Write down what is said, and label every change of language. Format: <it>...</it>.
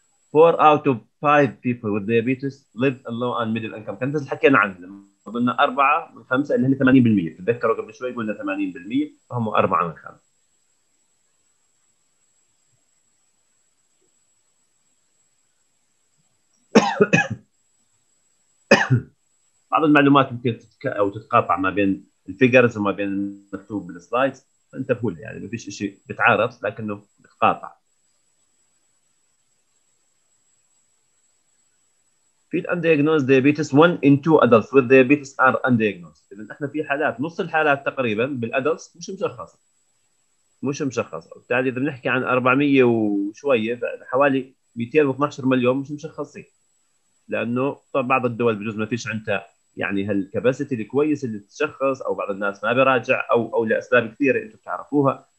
<en>Four out of five people with diabetes live a low and middle income.</en> <ar>كان بس حكينا عنه قلنا أربعة من خمسة اللي هن 80%، تذكروا قبل شوي قلنا 80% فهم أربعة من خمسة. بعض المعلومات ممكن أو تتقاطع ما بين الفيجرز وما بين المكتوب بالسلايدز، فانتبهوا لي يعني ما فيش شيء بتعارض لكنه بتقاطع.</ar> <en>في undiagnosed diabetes 1 in 2 adults with diabetes are undiagnosed.</en> <ar>إذن احنا في حالات نص الحالات تقريبا بالادلتس مش مشخصه، مش مشخصه. وبالتالي اذا بنحكي عن 400 وشويه حوالي 212 مليون مش مشخصين، لانه طبعا بعض الدول بجوز ما فيش عندها يعني هالكباسيتي الكويس اللي تشخص، او بعض الناس ما بيراجع، او لاسباب كثيره انتم بتعرفوها.</ar>